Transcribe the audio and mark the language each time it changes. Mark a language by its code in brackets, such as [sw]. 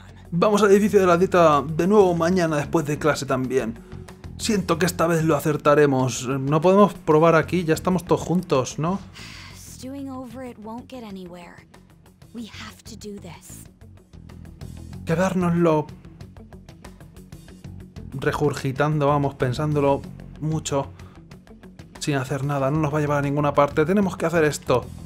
[es] Vamos al edificio de la dieta de nuevo mañana después de clase también. Siento que esta vez lo acertaremos. No podemos probar aquí, ya estamos todos juntos, ¿no? [en] Stewing over it won't get anywhere. We have to do this. [es] Quedárnoslo regurgitando, vamos, pensándolo mucho, sin hacer nada, no nos va a llevar a ninguna parte. Tenemos que hacer esto.